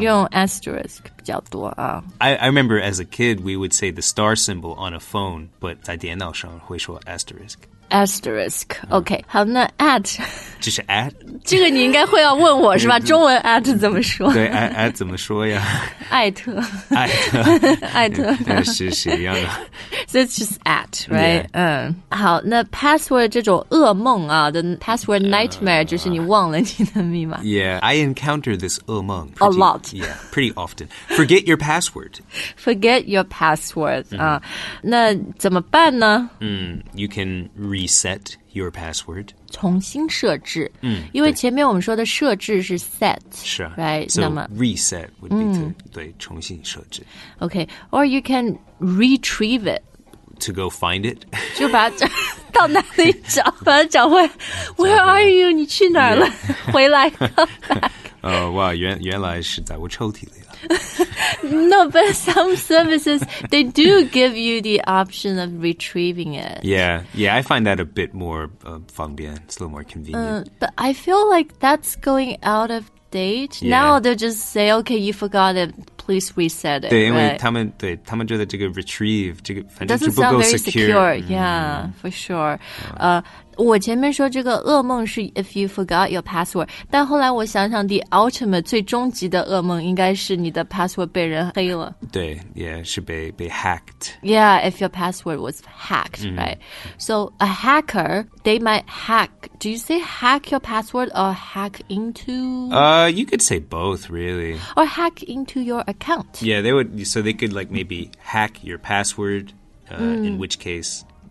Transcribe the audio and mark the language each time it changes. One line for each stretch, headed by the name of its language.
Chinese: 用 asterisk 比较多啊。
English: I remember as a kid, we would say the star symbol on a phone, but
Chinese: 在电脑上会说
English: asterisk. Asterisk, OK,、
Chinese: 好那
English: at
Chinese: 这是 at? 这个你应该会要问我是吧中文 at 怎么说对 at 怎么说呀艾特艾特艾特是一样的
English: So it's just at, right?、
Chinese: 好那 password 这种噩梦啊
English: the password nightmare
Chinese: 就是你忘了你的密码
English: Yeah, I encounter this 噩梦 A lot Yeah, pretty often Forget your password Forget your password、
Chinese: 那怎么办呢、
English: You canreset your password
Chinese: 重新设置、因为前面我们说的设置是 set 是、
English: right? so
Chinese: 那么
English: reset would be、
Chinese: 对重新设置
English: OK or you can retrieve it to go find it
Chinese: 就把它到哪里找把它找回
English: where are you
Chinese: 你去哪儿了、回来哇原来是在我抽屉里
English: no, but some services, they do give you the option of retrieving it. Yeah, yeah, I find that a bit more 方便, it's a little more convenient.、 But I feel like that's going out of date.、 Yeah. Now they'll just say, okay, you forgot it, please reset it.
Chinese: 对、
English: right?
Chinese: 因为他们对他们觉得这个 retrieve, 这个反正就不够
English: Doesn't sound very secure,、yeah, for sure.、
Chinese: 我前面说这个噩梦是
English: if you forgot your password,
Chinese: 但后来我想想
English: the ultimate
Chinese: 最终极的噩梦应该是你的 password 被人黑了。对也、yeah, 是被 hacked.
English: Yeah, if your password was hacked,、right? So a hacker, they might hack, do you say hack your password or hack into? You could say both, really. Or hack into your account. Yeah, they would, so they could like maybe hack your password,、in which case...